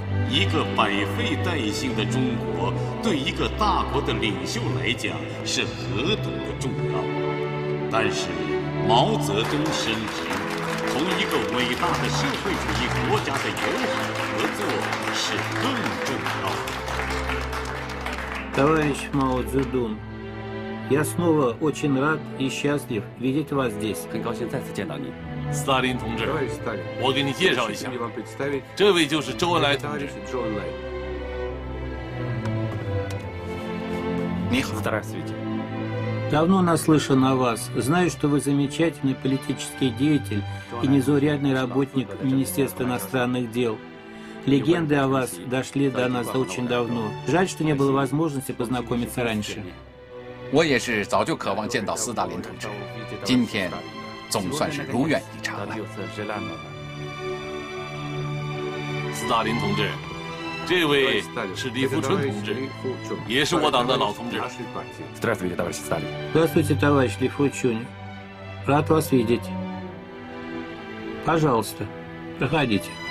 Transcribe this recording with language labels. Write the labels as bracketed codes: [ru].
[zh] 一个百废待兴的中国，对一个大国的领袖来讲是何等的重要。但是毛泽东深知，同一个伟大的社会主义国家的友好合作是更重要的。 [ru] товарищ Мао Цзэдун, я снова очень рад и счастлив видеть вас здесь. [zh] 很高兴再次见到你，斯大林同志。我给你介绍一下，这位就是周恩来同志。你好， [ru] Здравствуйте。 Давно наслышан о вас. Знаю, что вы замечательный политический деятель и незаурядный работник Министерства иностранных дел. Легенды о вас дошли до нас очень давно. Жаль, что не было возможности познакомиться раньше. [zh] 我也是早就渴望见到斯大林同志，今天总算是如愿以偿了。斯大林同志，这位是李富春同志，也是我党的老同志。 [ru] Здравствуйте, товарищ Сталин. Здравствуйте, товарищ Ли Фучунь. Рад вас видеть. Пожалуйста, проходите.